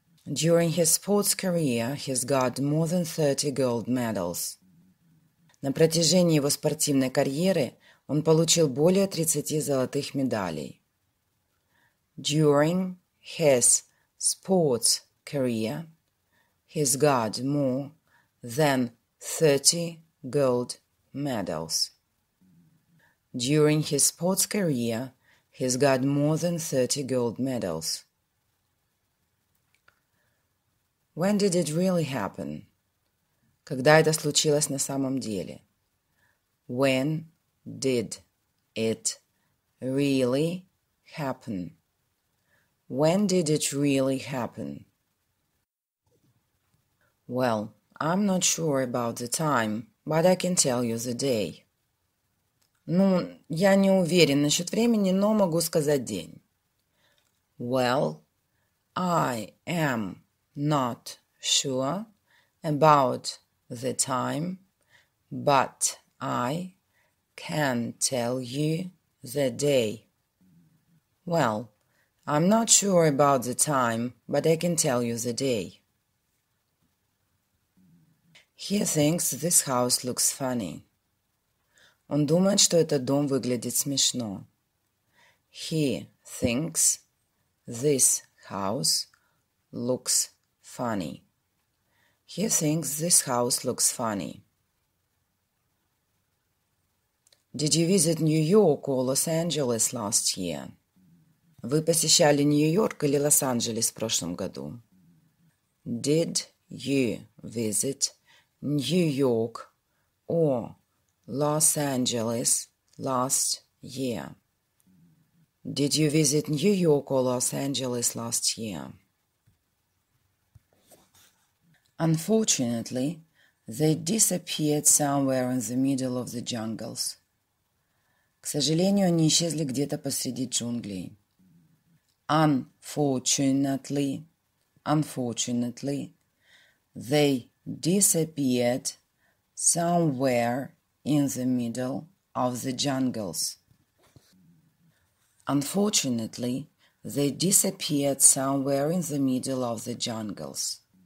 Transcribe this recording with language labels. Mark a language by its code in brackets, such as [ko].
[en] During his sports career, he's got more than 30 gold medals. [ru] На протяжении его спортивной карьеры он получил более 30 золотых медалей. [en] During his sports career, he's got more than 30 gold medals. During his sports career, he's got more than 30 gold medals. When did it really happen? [ru] Когда это случилось на самом деле? [en] When did it really happen? When did it really happen? Well, I'm not sure about the time, but I can tell you the day. [ru] Ну, я не уверен насчет времени, но могу сказать день. [en] Well, I am not sure about the time, but I can tell you the day. Well, I'm not sure about the time, but I can tell you the day. He thinks this house looks funny. [ru] Он думает, что этот дом выглядит смешно. [en] He thinks this house looks funny. He thinks this house looks funny. Did you visit New York or Los Angeles last year? [ru] Вы посещали Нью-Йорк или Лос-Анджелес в прошлом году? [en] Did you visit New York or Los Angeles last year? Did you visit New York or Los Angeles last year? Unfortunately, they disappeared somewhere in the middle of the jungles. [ru] К сожалению, они исчезли где-то посреди джунглей. [en] Unfortunately, they disappeared somewhere in the middle of the jungles. Unfortunately, they disappeared somewhere in the middle of the jungles.